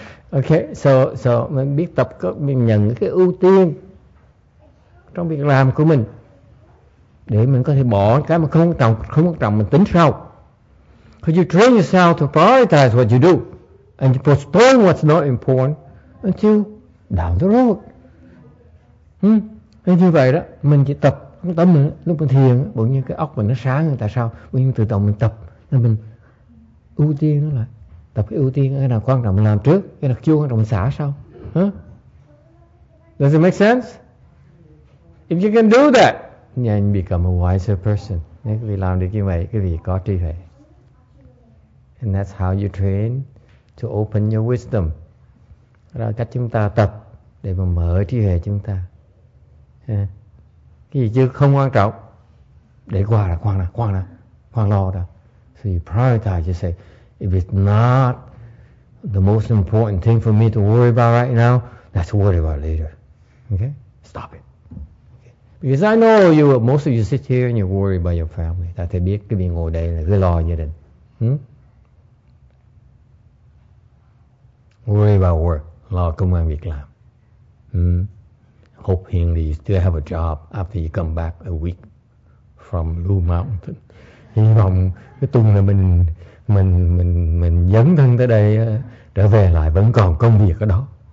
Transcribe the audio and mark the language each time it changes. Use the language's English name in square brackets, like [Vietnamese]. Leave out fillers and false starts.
[Vietnamese] Okay, so mình biết tập, mình nhận cái ưu tiên trong việc làm của mình để mình có thể bỏ cái mà không quan trọng mình tính sau. [English] Because you train yourself to prioritize what you do and you postpone what's not important until down the road. [Vietnamese] Như vậy đó, mình chỉ tập không tâm mình, lúc mình thiền bỗng nhiên cái óc mình nó sáng rồi. Tại sao? Bỗng nhiên tự động mình tập nên mình ưu tiên nó lại, tập cái ưu tiên cái nào quan trọng mình làm trước, cái nào chưa quan trọng mình xả sau. [English] Does it make sense? If you can do that, then you become a wiser person. [Vietnamese] Nếu quý vị làm được như vậy, quý vị có trí huệ. [English] And that's how you train to open your wisdom. [Vietnamese] Đó là cách chúng ta tập để mà mở trí huệ chúng ta. Cái gì chứ không quan trọng, để qua là quan nào, quan nào, quan lo đó. [English] So you prioritize, you say, if it's not the most important thing for me to worry about right now, let's worry about later. Okay? Stop it. Because I know you, most of you sit here and you worry about your family. [Vietnamese] Ta thể biết cái việc ngồi đây là cứ lo gia đình. [English] Worry about work. [Vietnamese] Lo công an việc làm. [English] Hopefully you still have a job after you come back a week from Blue Mountain. [Vietnamese] Hy vọng cái tuần này mình dấn thân tới đây trở về lại vẫn còn công việc ở đó.